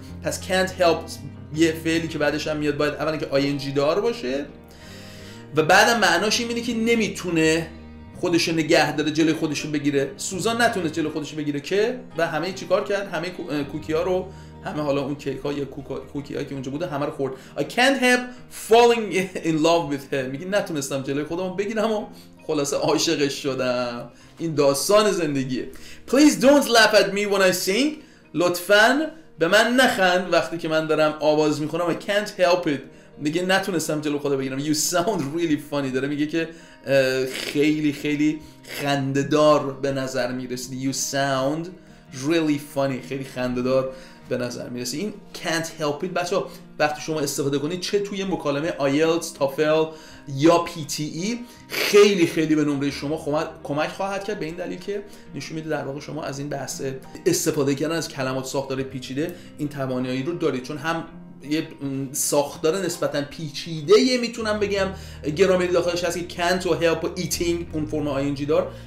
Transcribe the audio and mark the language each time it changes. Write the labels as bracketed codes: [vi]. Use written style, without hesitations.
[fa] پس can't help یه فعلی که بعدش هم میاد باید اولا که ing دار باشه و بعدم معناش این میده که نمیتونه خودشو نگه داره, جلوی خودشو بگیره. سوزان نتونه جلوی خودشو بگیره که, و همه چی کار کرد, همه کوکی ها رو, همه حالا اون کیک ها یا کوکی ها که اونجا بوده همه رو خورد. [en] I can't help falling in love with her. [fa] میگه نتونستم جلوی خودمو بگیرم و خلاصه عاشقش شدم. این داستان زندگیه. [en] Please don't laugh at me when I sing. [fa] لطفاً به من نخند وقتی که من دارم آواز میخونم. [en] I can't help it. [fa] میگه نتونستم جلو خودم بگیرم. [en] You sound really funny. [fa] داره میگه که خیلی خیلی خنددار به نظر میرسی. [en] You sound really funny. [fa] خیلی خنددار به نظر میرسی. این [en] can't help it [fa] بچه ها وقتی شما استفاده کنید چه توی مکالمه IELTS, TOEFL یا PTE خیلی خیلی به نمره شما کمک خواهد کرد. به این دلیل که نشون میده در واقع شما از این بحث استفاده کردن از کلمات ساختار پیچیده این توانایی رو دارید, چون هم یه ساختار نسبتا پیچیده یه میتونم بگم گرامری داخلش هست که can't و help و eating اون فرم ing دار.